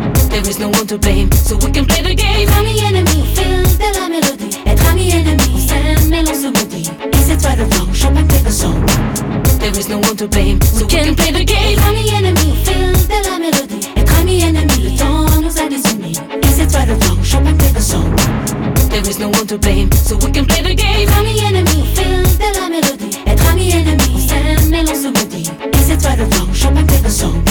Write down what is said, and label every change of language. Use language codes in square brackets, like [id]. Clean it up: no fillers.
[en] There is no one to blame, so we can play the game. [fr] Être ami ennemi, fil de la mélodie. Être ami ennemi, on s'aime et l'on se maudit. Et c'est toi le vent, chante avec le son. [en] There is no one to blame, so we can play the game. [fr] Être ami ennemi, fil de la mélodie. Être ami ennemi, le temps nous a désunis. Et c'est toi le vent, chante avec le son. [en] There is no one to blame, so we can play the game. [fr] Être ami ennemi, fil de la mélodie. Être ami ennemi, on s'aime et l'on se maudit. Et c'est toi le vent, chante avec le son.